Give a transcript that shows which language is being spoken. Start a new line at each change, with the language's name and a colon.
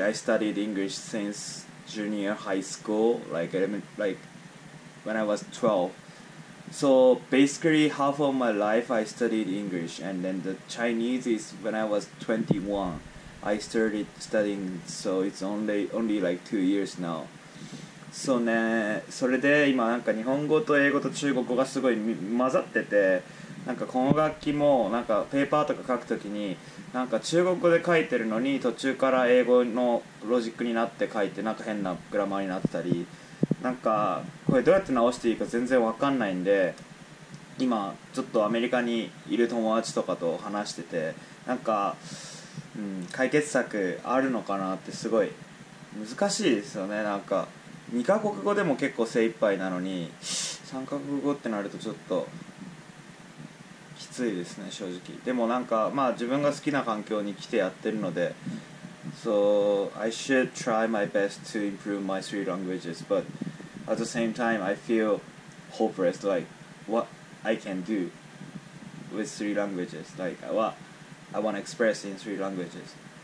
English: I studied English since junior high school, like when I was 12. So basically half of my life I studied English, and then the Chinese is when I was 21, I started studying, so it's only like 2 years now.
Japanese: So ね、それで今なんか日本語と英語と中国語がすごい混ざってて、なんかこの楽器もなんかペーパーとか書くときになんか中国語で書いてるのに途中から英語のロジックになって書いてなんか変なグラマーになったり、なんかこれどうやって直していいか全然わかんないんで、今ちょっとアメリカにいる友達とかと話しててなんか、解決策あるのかなってすごい難しいですよね。なんか2カ国語でも結構精一杯なのに3カ国語ってなるとちょっときついですね、正直。でもなんか、まあ自分が好きな環境に来てやってるので、
English: So I should try my best to improve my three languages, but at the same time I feel hopeless, like what I can do with three languages, like what I want to express in three languages.